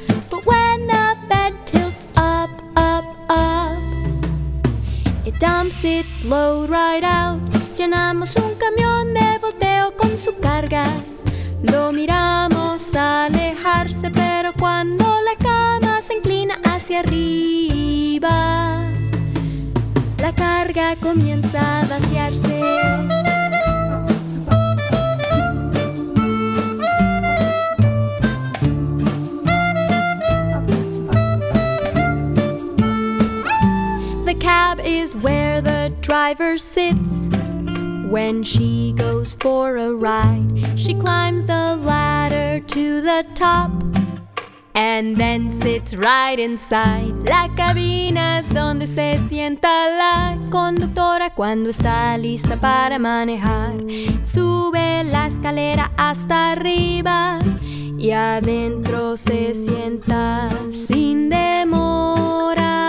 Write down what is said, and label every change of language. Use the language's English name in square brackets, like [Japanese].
[English] But when the bed tilts up, up, up, it dumps its load right out. [Spanish] Llenamos un camión de volteo con su carga. Lo miramos alejarse, pero cuando la cama se inclina hacia arriba, la carga comienza a vaciarse. [English] Cab is where the driver sits when she goes for a ride. She climbs the ladder to the top and then sits right inside. [Spanish] La cabina es donde se sienta la conductora cuando está lista para manejar. Sube la escalera hasta arriba y adentro se sienta sin demora.